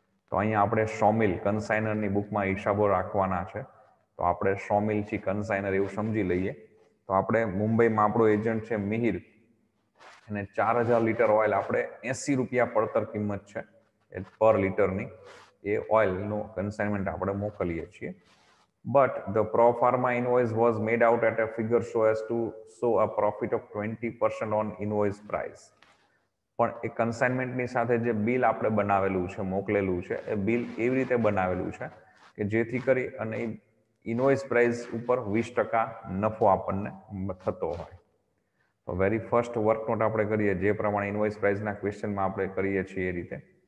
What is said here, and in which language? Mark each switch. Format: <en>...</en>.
<gu>તો અહીંયા આપણે સૌમિલ કન્સાઇનરની બુકમાં હિસાબો રાખવાના છે. તો આપણે સૌમિલ છી કન્સાઇનર એવું સમજી લઈએ. તો આપણે મુંબઈમાં આપણો એજન્ટ છે મિહિર, અને 4000 લિટર ઓઇલ આપણે ₹80 પડતર કિંમત છે એ પર લિટરની, એ ઓઇલનું કન્સાઇનમેન્ટ આપણે મોકલીએ છીએ.</gu> <en>But the pro forma invoice was made out at a figure so as to show a profit of 20% on invoice price.</en> <gu>પણ એ કન્સાઇનમેન્ટની સાથે જે બિલ આપણે બનાવેલું છે, મોકલેલું છે, એ બિલ એવી રીતે બનાવેલું છે કે જેથી કરી અને ઇનવોઇસ પ્રાઇસ ઉપર 20% નફો આપણને થતો હોય. તો</gu> <en>very first work note</en> <gu>આપણે કરીએ, જે પ્રમાણે ઇનવોઇસ પ્રાઇસના ક્વેશ્ચનમાં આપણે કરીએ છીએ એ રીતે.</gu>